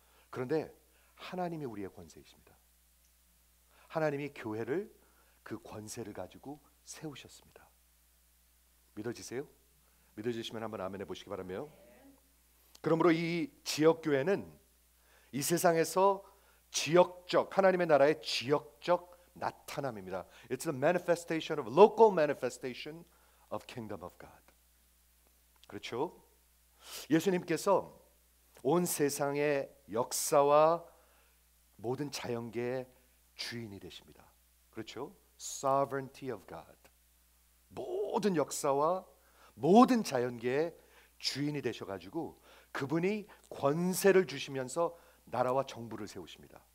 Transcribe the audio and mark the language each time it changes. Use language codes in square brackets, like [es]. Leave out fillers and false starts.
[ko] 그런데 하나님이 우리의 권세이십니다. 하나님이 교회를 그 권세를 가지고 세우셨습니다. 믿어지세요? 믿어지시면 한번 아멘 해보시기 바라며, 그러므로 이 지역교회는 이 세상에서 지역적, 하나님의 나라의 지역적 나타남입니다. [en] It's a manifestation of, local manifestation of kingdom of God. [ko] 그렇죠? 예수님께서 온 세상의 역사와 모든 자연계의 주인이 되십니다. 그렇죠? [en] Sovereignty of God. [ko] 모든 역사와 모든 자연계의 주인이 되셔가지고 그분이 권세를 주시면서 나라와 정부를 세우십니다.